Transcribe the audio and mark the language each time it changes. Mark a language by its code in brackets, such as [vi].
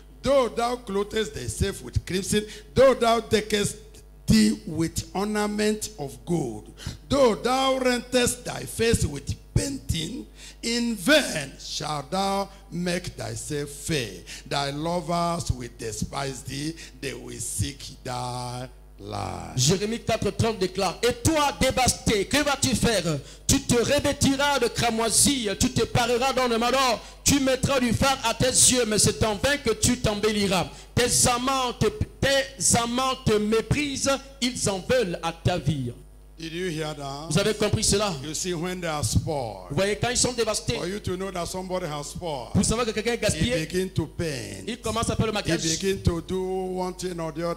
[en] Though thou clothest thyself with crimson, though thou deckest thee with ornament of gold, though thou rentest thy face with painting, in vain shalt thou make thyself fair. Thy lovers will despise thee, they will seek thy life. [fr] Jérémie 4:30 déclare: et toi, dévasté, que vas-tu faire? Tu te revêtiras de cramoisie, tu te pareras dans le malheur. Tu mettras du fard à tes yeux, mais c'est en vain que tu t'embelliras. Tes amants te méprisent, ils en veulent à ta vie. [en] Did you hear that? [fr] Vous avez compris cela? [en] You see, when they are spoiled, [fr] vous voyez, quand ils sont dévastés, [en] for you to know that somebody has spoiled, [fr] vous savez que quelqu'un est gaspillé, [en] he begin to paint, [fr] il commence à faire le maquillage, [en] he begin to do one thing or the other,